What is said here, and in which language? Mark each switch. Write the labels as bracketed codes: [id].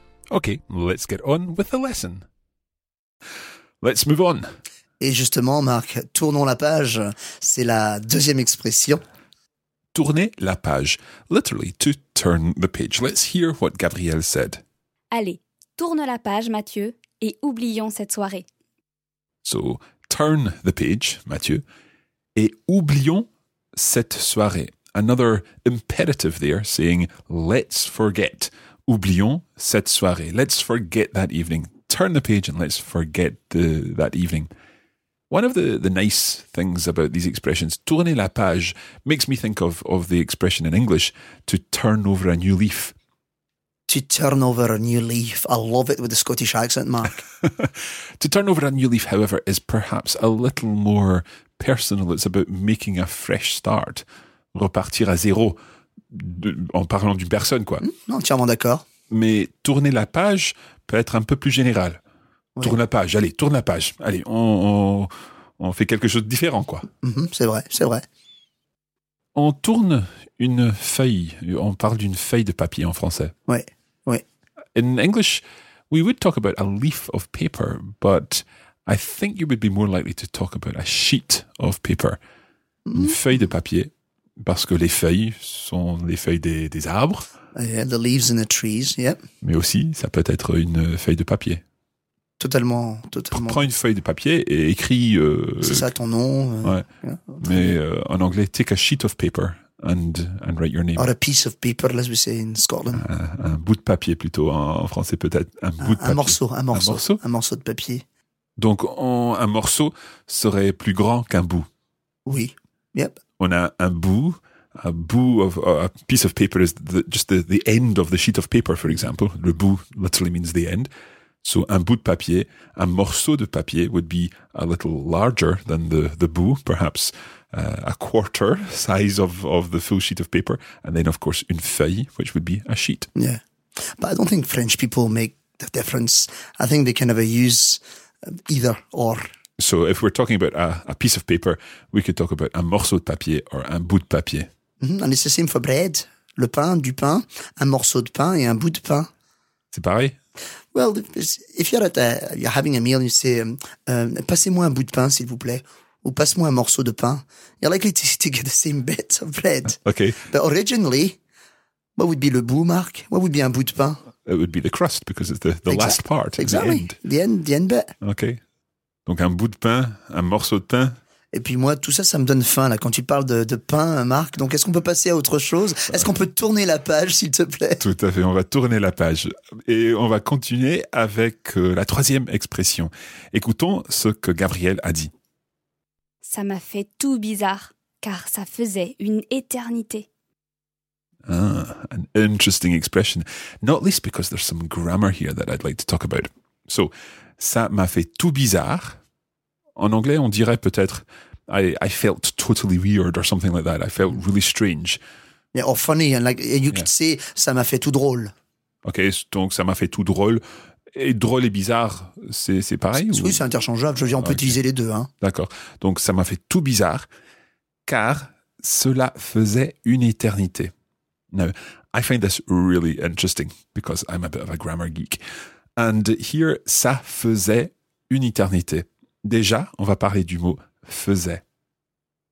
[en] Okay, let's get on with the lesson. Let's move on. [fr] Et justement, Marc, tournons la page, c'est la deuxième expression. Tourner la page, [en] literally to turn the page. Let's hear what Gabrielle said. [fr] Allez, tourne la page, Mathieu, et oublions cette soirée. [en] So, turn the page, Mathieu, [fr] et oublions cette soirée. [en] Another imperative there saying, let's forget. [fr] Oublions cette soirée. [en] Let's forget that evening. Turn the page and let's forget that evening. One of the nice things about these expressions, [fr] tourner la page, [en] makes me think of the expression in English, to turn over a new leaf. To turn over a new leaf. I love it with the Scottish accent, Mark. To turn over a new leaf, however, is perhaps a little more personal. It's about making a fresh start. [fr] Repartir à zéro. En parlant d'une personne, quoi. Entièrement d'accord. Mais tourner la page peut être un peu plus général. Oui. Tourne la page, allez, tourne la page. Allez, on fait quelque chose de différent, quoi. Mm-hmm, c'est vrai, c'est vrai. On tourne une feuille. On parle d'une feuille de papier en français. Oui, oui. [en] In English, we would talk about a leaf of paper, but I think you would be more likely to talk about a sheet of paper. [fr] Mm-hmm. Une feuille de papier. Parce que les feuilles sont les feuilles des arbres. [en] Yeah, the leaves in the trees, yep. [fr] Mais aussi, ça peut être une feuille de papier. Totalement, totalement. Prends une feuille de papier et écris... C'est ça, ton nom. Ouais. Mais en anglais, [en] take a sheet of paper and write your name. Or a piece of paper, as we say in Scotland. [fr] Un bout de papier plutôt, en français peut-être. Un morceau de papier. Donc, un morceau serait plus grand qu'un bout. Oui, yep. On a un bout, [en] a piece of paper is just the end of the sheet of paper, for example. Le bout literally means the end. So [fr] un bout de papier, [en] un morceau de papier would be a little larger than the bout, perhaps a quarter size of the full sheet of paper. And then, of course, une feuille, which would be a sheet. Yeah. But I don't think French people make the difference. I think they kind of use either or. So if we're talking about a piece of paper, we could talk about [fr] un morceau de papier [en] or [fr] un bout de papier. Mm-hmm. [en] And it's the same for bread, [fr] le pain, du pain, un morceau de pain et un bout de pain. C'est pareil? [en] Well, if you're you're having a meal and you say, [fr] passez-moi un bout de pain, [en] s'il vous plaît, ou passe-moi un morceau de pain, you're likely to get the same bit of bread. Okay. But originally, what would be le bout, Marc? What would be [fr] un bout de pain? [en] It would be the crust, because it's the last part, exactly. The end. The end bit. [fr] Okay. Donc un bout de pain, un morceau de pain. Et puis moi, tout ça, ça me donne faim, là, quand tu parles de pain, Marc. Donc, est-ce qu'on peut passer à autre chose? Est-ce qu'on peut tourner la page, s'il te plaît? Tout à fait, on va tourner la page. Et on va continuer avec la troisième expression. Écoutons ce que Gabriel a dit. Ça m'a fait tout bizarre, car ça faisait une éternité. [en] Ah, an interesting expression. Not least because there's some grammar here that I'd like to talk about. [fr] So, ça m'a fait tout bizarre. En anglais, on dirait peut-être [en] I felt totally weird or something like that. I felt really strange. Yeah, or funny. And like, and you could say, [fr] ça m'a fait tout drôle. Ok, donc ça m'a fait tout drôle. Et drôle et bizarre, c'est pareil c'est, ou... Oui, c'est interchangeable. Je veux dire, on peut utiliser les deux. Hein. D'accord. Donc, ça m'a fait tout bizarre, car cela faisait une éternité. [en] Now, I find this really interesting, because I'm a bit of a grammar geek. And here, [fr] ça faisait une éternité. Déjà, on va parler du mot « faisait ».